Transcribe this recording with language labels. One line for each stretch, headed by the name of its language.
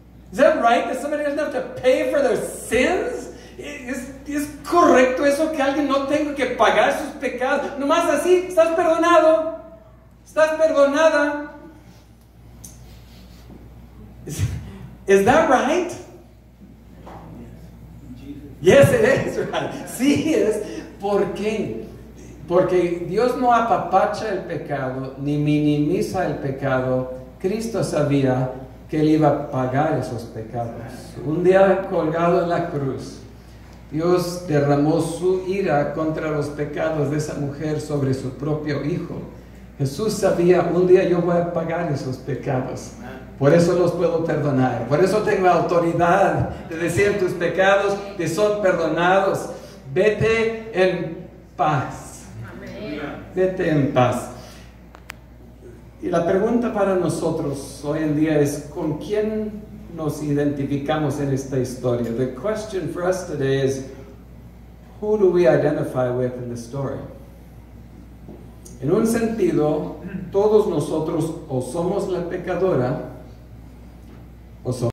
English: Is that right that somebody doesn't have to pay for their sins?
Spanish: Is correcto eso que alguien no tenga que pagar sus pecados? Nomás así, estás perdonado. Estás perdonada.
English: Is that right? Yes, it is right. Sí, es. ¿Por qué?
Spanish: Porque Dios no apapacha el pecado ni minimiza el pecado. Cristo sabía que Él iba a pagar esos pecados. Un día colgado en la cruz, Dios derramó su ira contra los pecados de esa mujer sobre su propio hijo. Jesús sabía, un día yo voy a pagar esos pecados. Por eso los puedo perdonar. Por eso tengo autoridad de decir tus pecados te son perdonados. Vete en paz. Vete en paz. Y la pregunta para nosotros hoy en día es, ¿con quién nos identificamos en esta historia?
English: The question for us today is, who do we identify with in the story?
Spanish: En un sentido, todos nosotros o somos la pecadora o somos